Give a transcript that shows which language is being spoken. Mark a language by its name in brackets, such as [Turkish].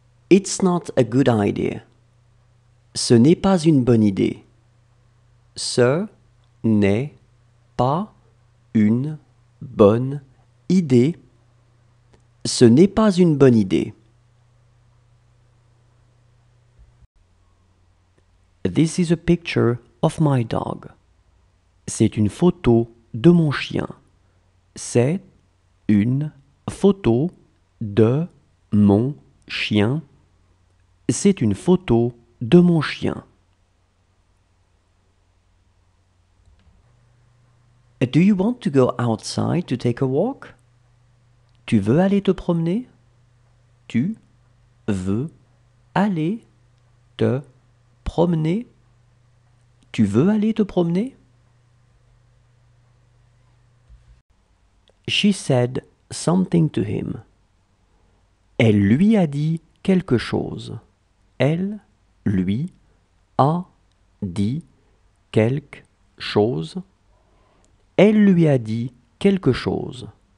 [English] It's not a good idea. [French] Ce n'est pas une bonne idée. Ce n'est pas une bonne idée. Ce n'est pas une bonne idée. [English] This is a picture of my dog. [French] C'est une photo de mon chien. C'est une photo de mon chien. C'est une photo de mon chien. [English] Do you want to go outside to take a walk? [French] Tu veux aller te promener? Tu veux aller te promener? Tu veux aller te promener? [English] She said something to him. [French] Elle lui a dit quelque chose. Elle lui a dit quelque chose. Elle lui a dit quelque chose.